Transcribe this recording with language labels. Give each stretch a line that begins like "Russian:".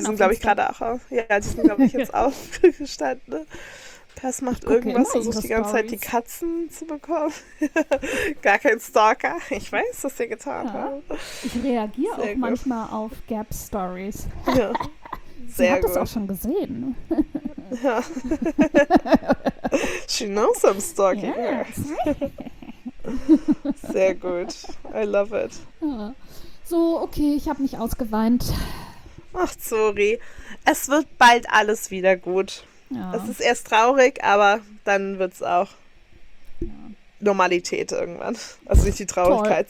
German: die sind, glaube ich, gerade auch auf. Ja, die sind, glaube ich, jetzt aufgestanden. Pass macht irgendwas, versucht die ganze Zeit die Katzen zu bekommen. Gar kein Stalker. Ich weiß, was ihr getan habt. Ich reagiere auch gut. Manchmal auf Gab-Stories. Ja. Sehr gut. Sie hat das auch schon gesehen. Ja.
English: She knows I'm stalking her. Yes.
German: Sehr gut.
English: I love it.
German: Ja. So, okay, ich habe mich ausgeweint. Ach, sorry. Es wird bald alles wieder gut. Ja. Es ist erst traurig, aber dann wird es auch Normalität irgendwann. Also nicht die Traurigkeit,